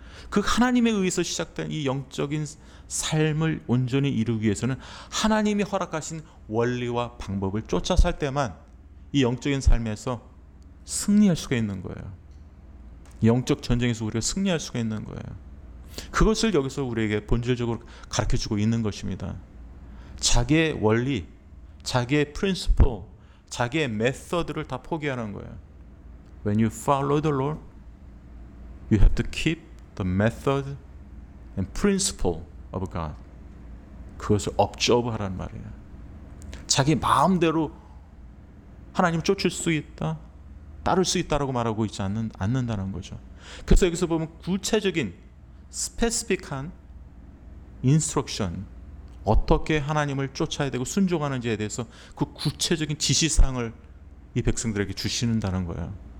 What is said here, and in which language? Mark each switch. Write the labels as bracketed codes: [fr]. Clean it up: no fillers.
[ko] 그 하나님에 의해서 시작된 이 영적인 삶을 온전히 이루기 위해서는 하나님이 허락하신 원리와 방법을 쫓아 살 때만 이 영적인 삶에서 승리할 수가 있는 거예요. 영적 전쟁에서 우리가 승리할 수가 있는 거예요. 그것을 여기서 우리에게 본질적으로 가르쳐주고 있는 것입니다. 자기의 원리, 자기의 principle, 자기의 method를 다 포기하는 거예요. [en] When you follow the Lord, you have to keep the method and principle of God. [ko] 그것을 observe 하라는 말이에요. 자기 마음대로 하나님을 쫓을 수 있다, 따를 수 있다라고 말하고 있지 않는다는 거죠. 그래서 여기서 보면 구체적인 스페시픽한 인스트럭션, 어떻게 하나님을 쫓아야 되고 순종하는지에 대해서 그 구체적인 지시사항을 이 백성들에게 주시는다는 거예요.